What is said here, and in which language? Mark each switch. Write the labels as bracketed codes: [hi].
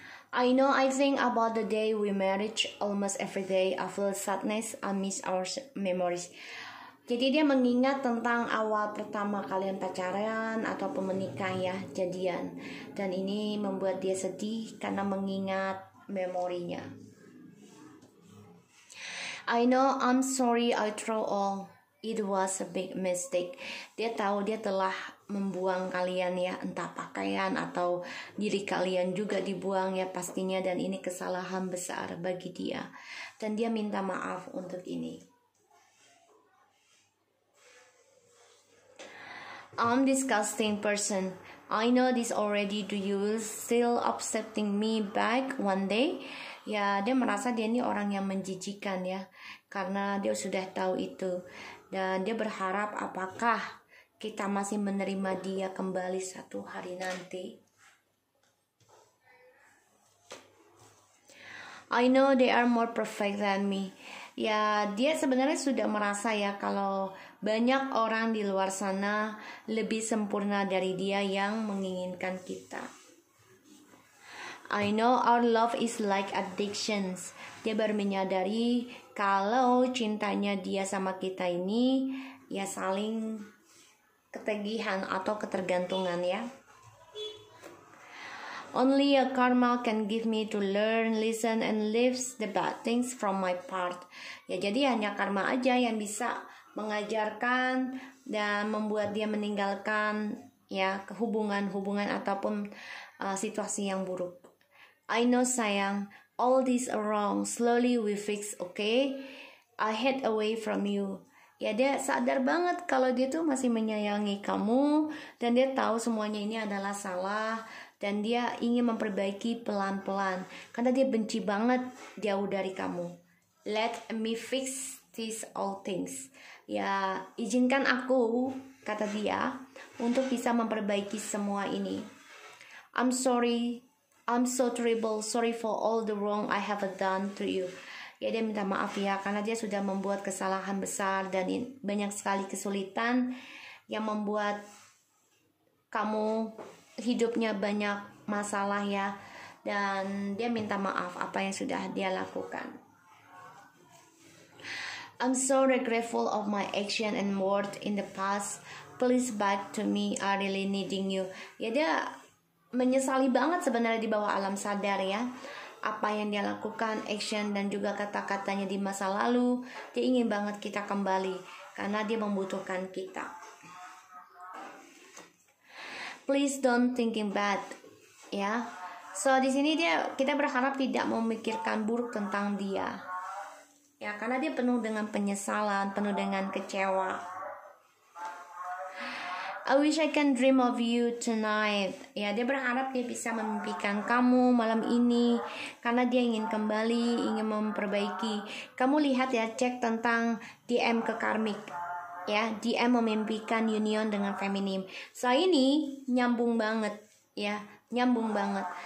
[en] I know I think about the day we married almost every day. I feel sadness. I miss our memories. [id] Jadi dia mengingat tentang awal pertama kalian pacaran atau pemenikah ya, jadian. Dan ini membuat dia sedih karena mengingat memorinya. [en] I know I'm sorry I throw all. It was a big mistake. [id] Dia tahu dia telah membuang kalian ya, entah pakaian atau diri kalian juga dibuang ya pastinya, dan ini kesalahan besar bagi dia. Dan dia minta maaf untuk ini. [en] I'm disgusting person. I know this already. Do you still accepting me back one day? [id] Ya, dia merasa dia ini orang yang menjijikan ya, karena dia sudah tahu itu. Dan dia berharap apakah kita masih menerima dia kembali satu hari nanti. [en] I know they are more perfect than me. [id] Ya, dia sebenarnya sudah merasa ya kalau banyak orang di luar sana lebih sempurna dari dia yang menginginkan kita. [en] I know our love is like addictions. [id] Dia baru menyadari kalau cintanya dia sama kita ini ya saling ketagihan atau ketergantungan ya. [en] Only a karma can give me to learn, listen, and leave the bad things from my part. [id] Ya, jadi hanya karma aja yang bisa mengajarkan dan membuat dia meninggalkan ya hubungan-hubungan ataupun situasi yang buruk. [en] I know sayang, all this wrong, slowly we fix, okay? I head away from you. [id] Ya, dia sadar banget kalau dia tuh masih menyayangi kamu dan dia tahu semuanya ini adalah salah dan dia ingin memperbaiki pelan-pelan karena dia benci banget jauh dari kamu. [en] Let me fix these all things. [id] Ya, izinkan aku, kata dia, untuk bisa memperbaiki semua ini. [en] I'm sorry. I'm so terrible. Sorry for all the wrong I have done to you. [id] Ya, dia minta maaf ya, karena dia sudah membuat kesalahan besar dan banyak sekali kesulitan yang membuat kamu hidupnya banyak masalah ya. Dan dia minta maaf apa yang sudah dia lakukan. [en] I'm so regretful of my action and words in the past. Please back to me. I really needing you. [id] Ya, dia menyesali banget sebenarnya di bawah alam sadar ya, apa yang dia lakukan, action dan juga kata-katanya di masa lalu. Dia ingin banget kita kembali karena dia membutuhkan kita. [en] Please don't thinking bad [id] ya. So di sini dia, kita berharap tidak memikirkan buruk tentang dia ya, karena dia penuh dengan penyesalan, penuh dengan kecewa. [en] I wish I can dream of you tonight. [id] Ya, dia berharap dia bisa memimpikan kamu malam ini karena dia ingin kembali, ingin memperbaiki. Kamu lihat ya, cek tentang DM ke karmik. Ya, DM memimpikan union dengan feminim. So ini nyambung banget ya, nyambung banget.